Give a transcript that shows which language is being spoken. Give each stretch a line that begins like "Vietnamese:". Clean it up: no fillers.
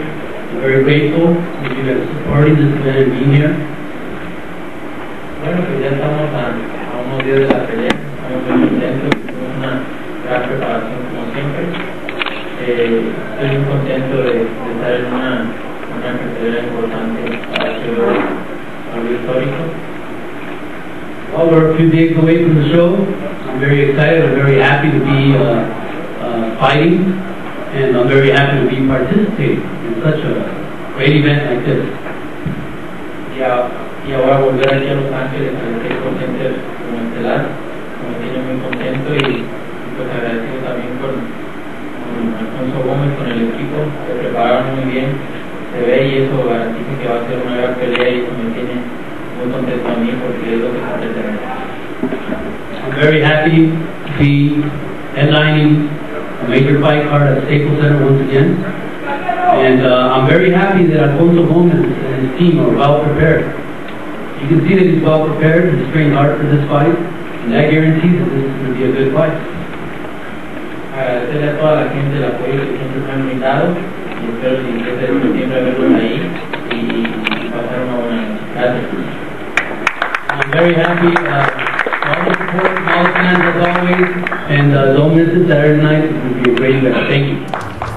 English: I'm very grateful that you guys supporting this event and being here.
Spanish: Bueno, pues ya estamos a unos días de la pelea. Estamos muy contentos. Tuvimos una gran preparación como siempre. Estoy muy contento de estar en una carrera importante para hacer algo histórico.
English: Well, we're a few days away from the show. I'm very excited, I'm very happy to be fighting, and I'm very happy to be participating in such a great event like this.
Spanish: Yeah, voy a volver aquí a Los Ángeles, estoy contento con el telar, me tiene muy contento y pues agradecido también con Alfonso Gómez, con el equipo, se prepararon muy bien, se ve y eso garantiza que va a ser una gran pelea y eso me tiene muy contento a mí porque es lo que está pretendiendo.
English: I'm very happy to be headlining a major fight card at Staples Center once again. And I'm very happy that Alfonso Gomez and his team are well prepared. You can see that he's well prepared and he's trained hard for this fight, and that guarantees that this is going to be a good fight.
Spanish: Agradecerle a toda la gente el apoyo que siempre me han brindado y espero que el 7 de septiembre verlos ahí y pasar una buena noche. Gracias.
English: I'm very happy. All the support, all the fans as always, and don't miss it Saturday night, it will be a great event. Thank you.